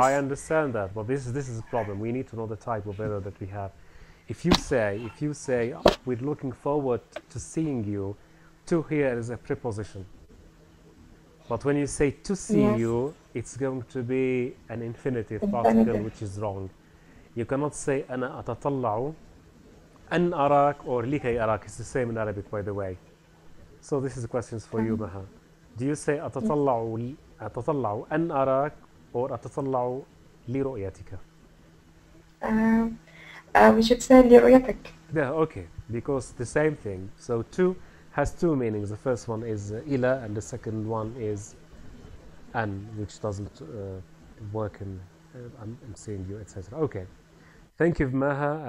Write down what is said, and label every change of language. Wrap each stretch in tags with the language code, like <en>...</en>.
<en>I understand that, but this is a problem. We need to know the type of error that we have. If you say we're looking forward to seeing you, to here is a preposition. But when you say to see yes. you, it's going to be an infinitive particle, which is wrong. You cannot say</en> <ar>أنا أتطلع أن أراك or لكي أراك.</ar> <en>It's the same in Arabic, by the way. So this is a question for you, Maha. Do you say</en> <ar>أتطلع أن أراك or أتطلع لرؤيتك.</ar> <en>We should say لرؤيتك. Yeah, okay. Because the same thing. So two has two meanings. The first one is إلى and the second one is أن, which doesn't work in I'm seeing you, etc. Okay. Thank you, Maha.</en>